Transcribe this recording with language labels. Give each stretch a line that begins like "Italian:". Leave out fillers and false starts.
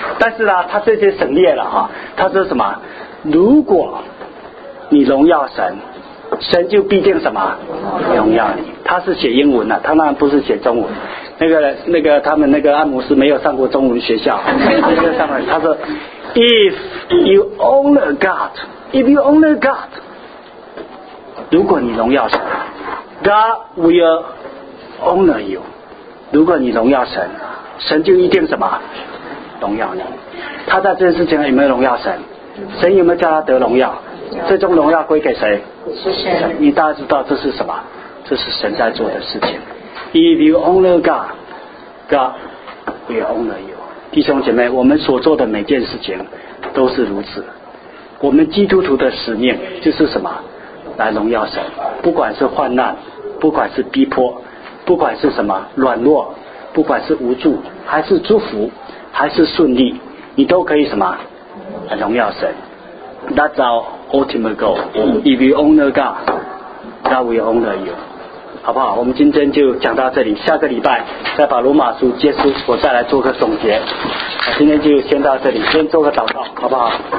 Chinese: 但是呢，他这些省略了哈，他说什么？如果你荣耀神，神就必定什么荣耀你。他是写英文的，他那不是写中文。那个他们那个按摩师没有上过中文学校，上了他说。
English: If you honor God, if you honor God,
Chinese: 如果你荣耀神，
English: God will honor you.
Chinese: 如果你荣耀神，神就一定什么荣耀你。他在这件事情有没有荣耀神？神有没有叫他得荣耀？最终荣耀归给谁？神。你大家知道这是什么？这是神在做的事情。
English: If you honor God, God will honor you.
Chinese: 弟兄姐妹，我们所做的每件事情都是如此。我们基督徒的使命就是什么？来荣耀神。不管是患难，不管是逼迫，不管是什么软弱，不管是无助，还是祝福，还是顺利，你都可以什么？来荣耀神。
English: That's our ultimate goal. If you honor God, God will honor you.
Chinese: 好不好？我们今天就讲到这里，下个礼拜再把罗马书结束，我再来做个总结。今天就先到这里，先做个祷告，好不好？